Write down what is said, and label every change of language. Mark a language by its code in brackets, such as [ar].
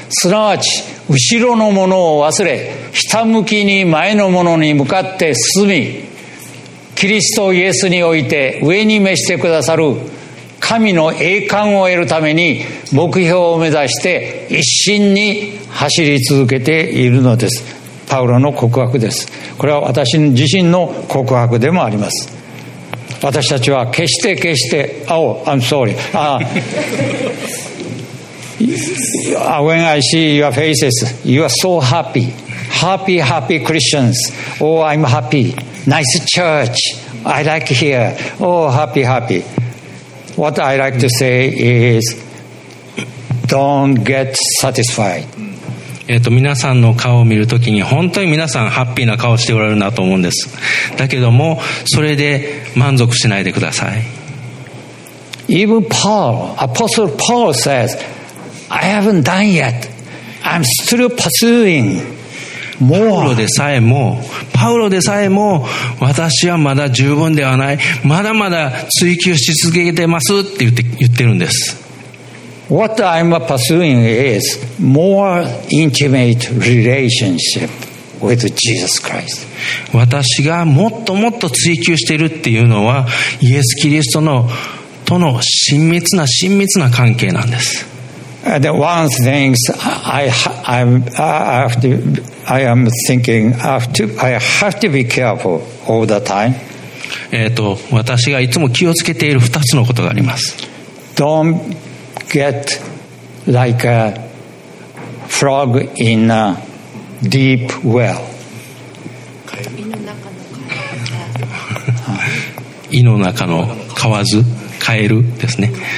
[ja] すなわち後ろのものを忘れ、ひたむきに前のものに向かって進み、キリストイエスにおいて上に召してくださる神の栄冠を得るために目標を目指して一心に走り続けているのです。パウロの告白です。これは私自身の告白でもあります。私たちは決して決して、 [en] Oh, I'm sorry. When I see your faces, you are so happy. Happy, happy Christians. Oh, I'm happy. Nice church. I like here. Oh, happy, happy. What I like to say is, don't get satisfied. [ja] 皆さんの顔を見るときに本当に皆さんハッピーな顔しておられるなと思うんです。だけどもそれで満足しないでください。 [en] Even Paul, Apostle Paul says, I haven't done yet. I'm still pursuing. [ja] パウロでさえも私はまだ十分ではない、まだまだ追求し続けてますって言ってるんです。 [en] What I'm pursuing is more intimate relationship with Jesus Christ. [ja] 私がもっともっと追求しているっていうのはイエス・キリストのとの親密な関係なんです。 [en] And one thing I have to be careful all the time. [ja] 私がいつも気をつけている二つのことがあります。 [en] Don't get like a frog in a deep well. [ja] 胃の中の蛙、カエルですね。